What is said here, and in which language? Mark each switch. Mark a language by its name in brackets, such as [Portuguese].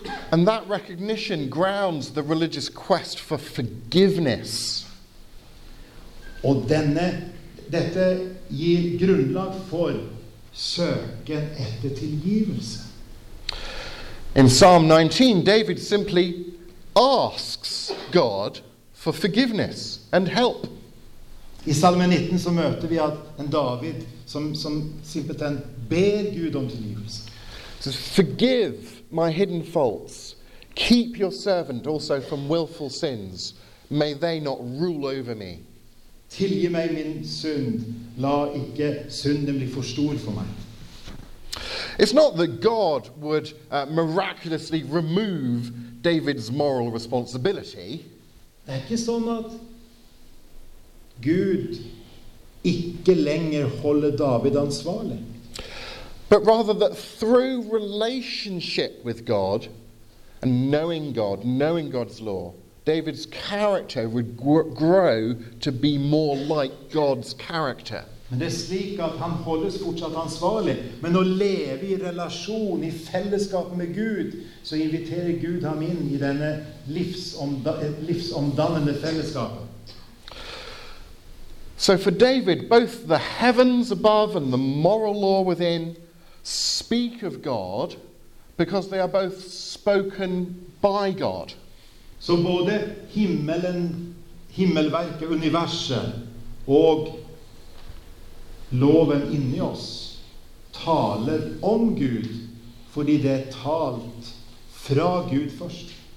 [English] And that recognition grounds the religious quest for forgiveness. [Norwegian] Og dette gir grunnlag for søken etter tilgivelse. [English] In Psalm 19, David simply asks God for forgiveness and help. [Norwegian] I Salme 19 så møter vi at en David som simpelthen ber Gud om tilgivelse. [English] So forgive my hidden faults. Keep your servant also from willful sins. May they not rule over me. [Norwegian] Tilgi meg min synd. La ikke synden bli for stor for meg. [English] It's not that God would miraculously remove David's moral responsibility. [Norwegian] Det ikke sånn at Gud ikke lenger holder David ansvarlig. [English] But rather that through relationship with God and knowing God's law, David's character would grow to be more like God's character. [Norwegian] Men det er slik at han holdes fortsatt ansvarlig. Men å leve i relasjon, i fellesskap med Gud, så inviterer Gud ham inn i denne livsomdannende fellesskapet. [English] So for David, both the heavens above and the moral law within speak of God because they are both spoken by God. [Norwegian] Så både himmelen, himmelverket, universet og loven inni oss taler om Gud, fordi det talt fra Gud først.